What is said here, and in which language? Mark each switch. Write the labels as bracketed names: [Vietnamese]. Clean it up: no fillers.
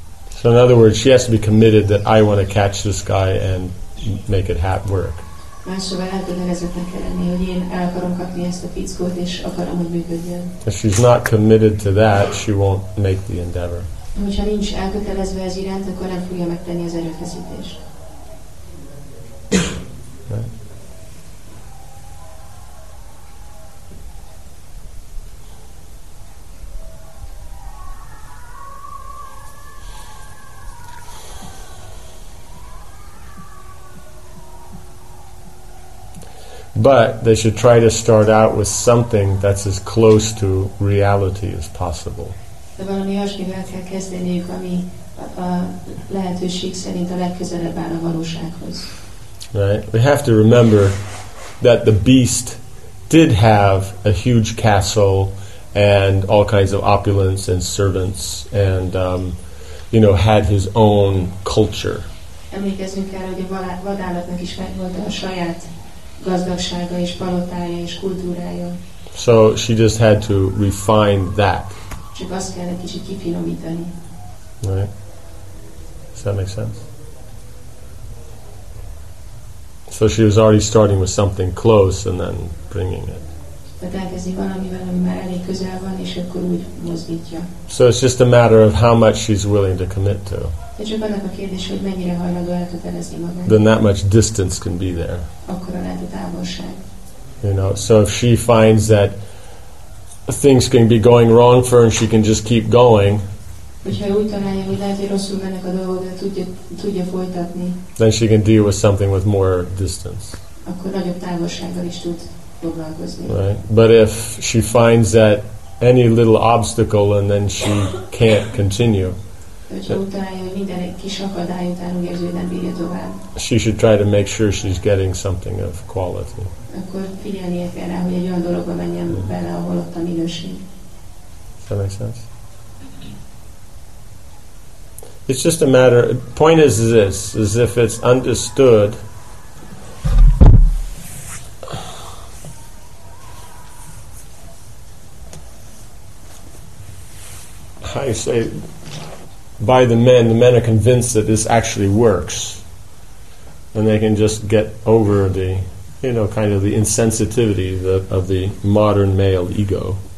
[English] So in other words, she has to be committed that I want to catch this guy and make it work. If she's not committed to that, she won't make the endeavor. [Hungarian] Hogyha nincs elkötelezve ez iránt, akkor nem fogja megtenni az erőfeszítést. [English] But they should try to start out with something that's as close to reality as possible. [Hungarian] De valami olyasmivel kell kezdeniük, ami a lehetőség szerint a legközelebb áll a valósághoz. [English] Right. We have to remember that the beast did have a huge castle and all kinds of opulence and servants and you know, had his own culture. [Hungarian] Emlékezzünk el, hogy a vadállatnak is megvolt a saját gazdagsága és palotája és kultúrája. [English] So she just had to refine that. [Hungarian] Csak azt kell egy kicsit kifinomítani. [English] Right. Does that make sense? So she was already starting with something close and then bringing it. [Hungarian] Tehát elkezdi valamivel, ami már elég közel van, és akkor úgy mozdítja. [English] So it's just a matter of how much she's willing to commit to. [Hungarian] De csak annak a kérdés, hogy mennyire hajlandó elkötelezni magát. [English] Then that much distance can be there. [Hungarian] Akkora lehet a távolság. [English] You know, so if she finds that things can be going wrong for her and she can just keep going, then she can deal with something with more distance. Right? But if she finds that any little obstacle and then she can't continue, she should try to make sure she's getting something of quality. [Hungarian] Akkor figyelnie kell rá, hogy egy olyan dologba menjen bele, ahol ott a minőség. [English] Does that make sense? It's just a matter, point is this, is if it's understood how you say by the men are convinced that this actually works and they can just get over the, you know, kind of the insensitivity of the modern male ego.